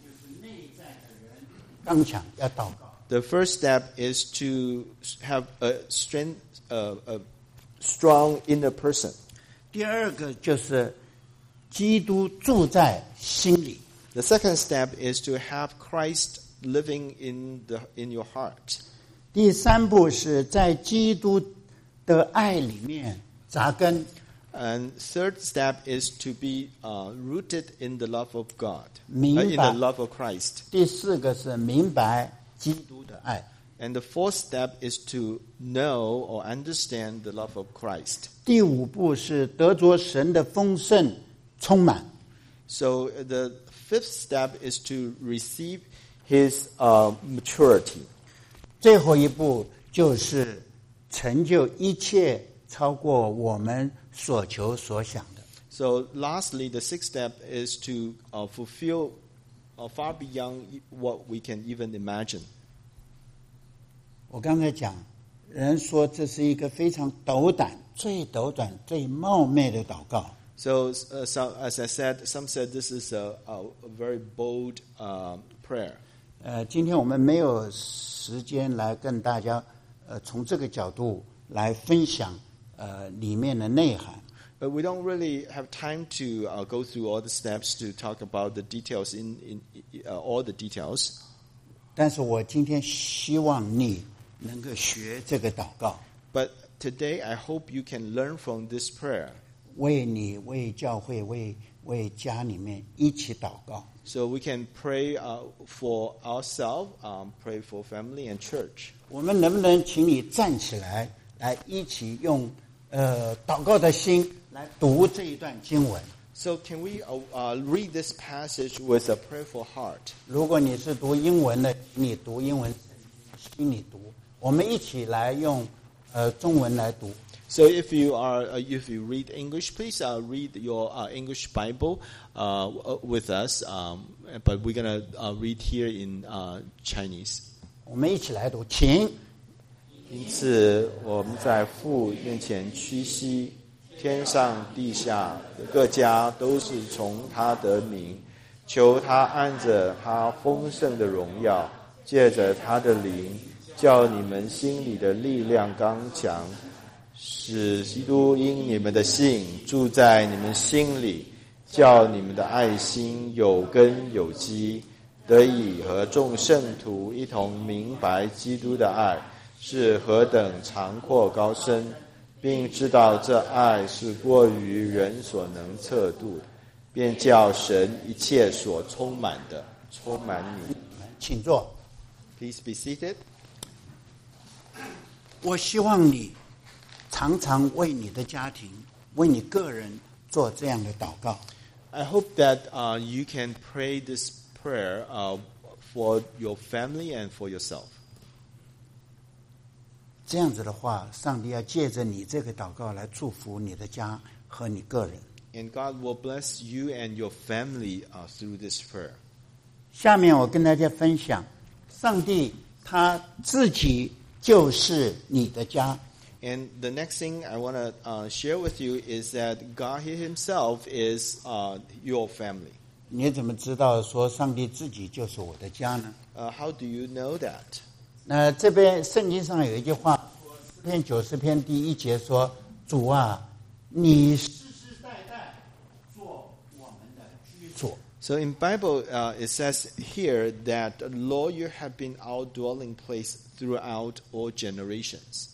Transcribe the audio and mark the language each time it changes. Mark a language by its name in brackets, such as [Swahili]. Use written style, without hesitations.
[Chinese] 第一步就是内在的人刚强，要祷告。 [English] The first step is to have a strong inner person. [Chinese] 第二个就是基督住在心里。 [English] The second step is to have Christ living in your heart. [Chinese] 第三步是在基督的爱里面扎根。 [English] And third step is to be rooted in the love of God, [Chinese] 明白 [English] in the love of Christ. [Chinese] 第四个是明白基督的爱。 [English] And the fourth step is to know or understand the love of Christ. [Chinese] 第五步是得着神的丰盛充满。 [English] So the fifth step is to receive his maturity. [Chinese] 最后一步就是成就一切超过我们所求所想的。 [English] So lastly, the sixth step is to fulfill far beyond what we can even imagine. [Chinese] 我刚才讲，人说这是一个非常斗胆、最斗胆、最冒昧的祷告。 [English] So, so as I said, some said this is a very bold prayer. [Chinese] 今天我们没有时间来跟大家从这个角度来分享里面的内涵。 [English] But we don't really have time to go through all the steps to talk about the details all the details. [Chinese] 但是我今天希望你能够学这个祷告。 [English] But today I hope you can learn from this prayer. [Chinese] 为你为教会 为家里面一起祷告 [English] So we can pray for ourselves pray for family and church [Chinese] 我们能不能请你站起来来一起用祷告的心来读这一段经文 [English] So can we read this passage with a prayerful heart [Chinese] 如果你是读英文的你读英文心里读我们一起来用中文来读 [English] So if you are, if you read English, please read your English Bible with us. But we're going to read here in Chinese. [Chinese] 我们一起来读，请。因此，我们在父面前屈膝，天上地下各家都是从他得名，求他按着他丰盛的荣耀，借着他的灵，叫你们心里的力量刚强。使基督因你们的信住在你们心里，叫你们的爱心有根有基，得以和众圣徒一同明白基督的爱是何等长阔高深，并知道这爱是过于人所能测度的，便叫神一切所充满的充满你。请坐。 [English] Please be seated. [Chinese] 我希望你常常为你的家庭为你个人做这样的祷告 [English] I hope that you can pray this prayer for your family and for yourself [Chinese] 这样子的话上帝要借着你这个祷告来祝福你的家和你个人 [English] and God will bless you and your family through this prayer [Chinese] 下面我跟大家分享上帝他自己就是你的家 [English] And the next thing I want to share with you is that God himself is your family. [Chinese] 你怎么知道说上帝自己就是我的家呢? [English] How do you know that? [Chinese] 那这边圣经上有一句话诗篇九十篇第一节说主啊你世世代代做我们的居所 [English] So in Bible it says here that Lord you have been our dwelling place throughout all generations.